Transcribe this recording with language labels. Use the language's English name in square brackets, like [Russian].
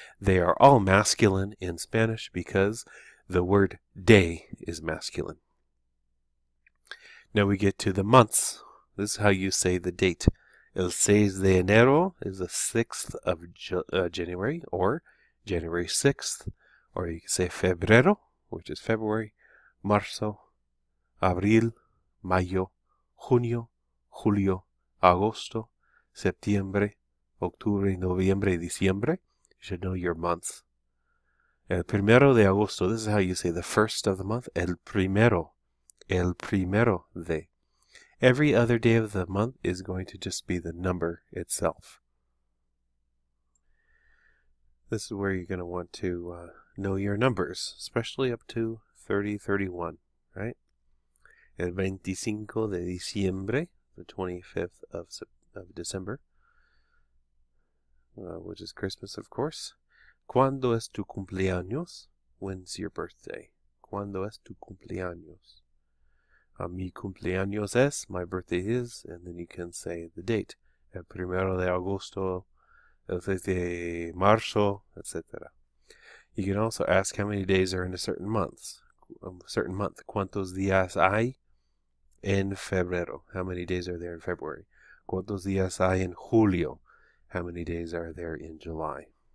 [English] They are all masculine in Spanish because the word day is masculine. Now we get to the months. This is how you say the date. [Spanish] El 6 de enero [English] is the 6th of January, or January 6th. Or you can say febrero, which is February. [Spanish] Marzo, abril, mayo, junio, julio, agosto, septiembre, octubre, noviembre, diciembre. [English] You should know your months. [Spanish] El primero de agosto. [English] This is how you say the first of the month. [Spanish] El primero de. [English] Every other day of the month is going to just be the number itself. This is where you're going to want to know your numbers, especially up to 30, 31, right? [Spanish] El 25 de diciembre, [English] the 25th of December, which is Christmas, of course. [Spanish] ¿Cuándo es tu cumpleaños? [English] When's your birthday? [Spanish] ¿Cuándo es tu cumpleaños? Mi cumpleaños es, [English] my birthday is, and then you can say the date. [Spanish] El primero de agosto, el 6 de marzo, etc. [English] You can also ask how many days are in a certain month. [Spanish] ¿Cuántos días hay en febrero? [English] How many days are there in February? [Spanish] ¿Cuántos días hay en julio? [English] How many days are there in July?